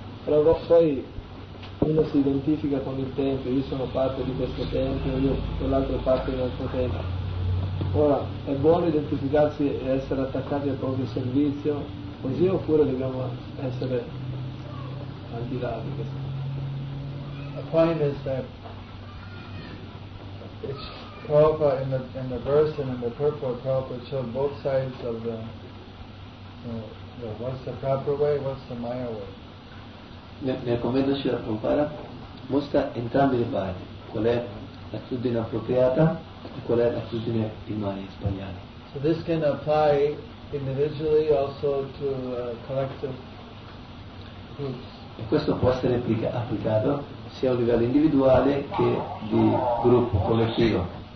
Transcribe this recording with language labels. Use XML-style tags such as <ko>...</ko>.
<it>Però poi uno si identifica con il tempio, io sono parte di questo tempio, io con l'altro parte di un altro tempio. Ora, è buono identificarsi e essere attaccati al proprio servizio, così, oppure dobbiamo essere al di là di questo?</it> <en>The point is that Prabhupada in the verse and in the purport, Prabhupada showed both sides of the, you know, what's the proper way, what's the Maya way.</en> <it>Nel commento Srila Prabhupada mostra entrambi le parti, qual è l'attitudine appropriata e qual è l'attitudine di Maya sbagliata.</it> <en>So this can apply individually also to collective groups.</en> <it>E questo può essere applicato sia a livello individuale che di gruppo collettivo.</it>